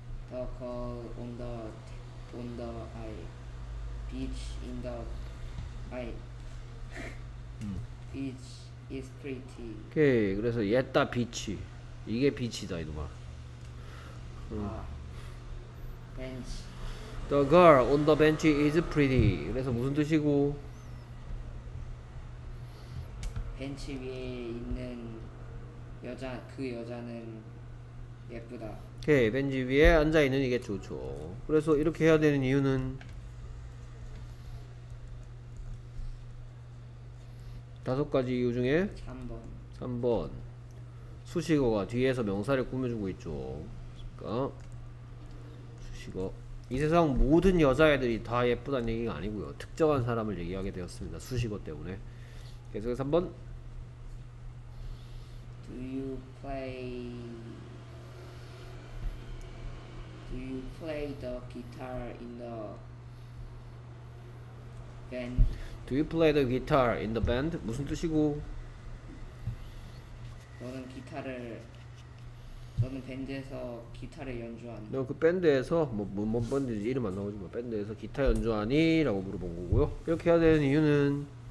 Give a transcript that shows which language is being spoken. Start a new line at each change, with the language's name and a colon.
English: The call on the beach in the eye. Beach is pretty.
Korean: 오케이, 그래서 옛다 비치. 이게 비치다 이놈아.
English: Bench. The girl on the bench is pretty.
Korean: 그래서 무슨 뜻이고? 벤치 위에 있는 그 여자는 예쁘다. 오케이, 벤치 위에 앉아 있는 이게 좋죠. 그래서 이렇게 해야 되는 이유는 다섯 가지 이유 중에 3번. 3번 수식어가 뒤에서 명사를 꾸며주고 있죠. 그러니까 수식어 이 세상 모든 여자애들이 다 예쁘다는 얘기가 아니고요. 특정한 사람을 얘기하게 되었습니다. 수식어 때문에. 계속해서 3번.
English: Do you play the guitar in the band? Do you play the guitar in the band?
Korean: 무슨 뜻이고? 너는 밴드에서 기타를 연주하니? 너그 밴드에서 뭐 밴드인지 이름 안 나오지만 밴드에서 기타 연주하니? 라고 물어본 거고요. 이렇게 해야 되는 이유는